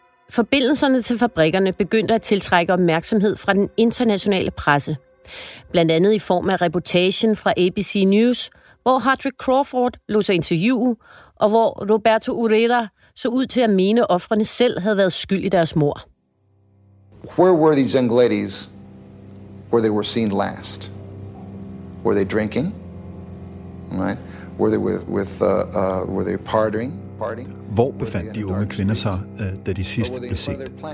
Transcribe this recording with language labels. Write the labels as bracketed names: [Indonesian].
[Danish] Forbindelserne til fabrikkerne begyndte at tiltrække opmærksomhed fra den internationale presse. Blandt andet i form af reportagen fra ABC News, hvor Hartrick Crawford lod sig interviewe, og hvor Roberto Urrera så ud til at mene, at ofrene selv havde været skyld i deres mord. [English] Where were these young ladies where they were seen last? Were they drinking? Right? Were they were they partying? [Danish] Hvor befandt de unge kvinder sig, da de sidst blev set?